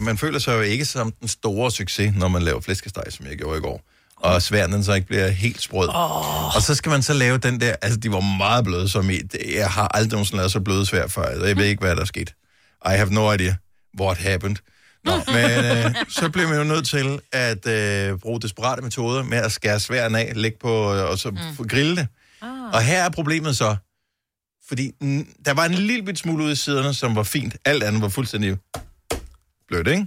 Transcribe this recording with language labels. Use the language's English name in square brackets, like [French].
[Danish] Man føler sig jo ikke som den store succes, når man laver flæskesteg, som jeg gjorde i går. Og sværnen så ikke bliver helt sprød. Oh. Og så skal man så lave den der, altså de var meget bløde som i. Jeg har aldrig nogensinde lavet så bløde svær før. Jeg ved ikke, hvad der er sket. [English] I have no idea what happened. [Danish] Nå, men så bliver man jo nødt til at bruge desperate metoder med at skære sværen af, lægge på og så grille det. Oh. Og her er problemet så. Fordi der var en lille bit smule ud i siderne, som var fint. Alt andet var fuldstændig blødt, ikke?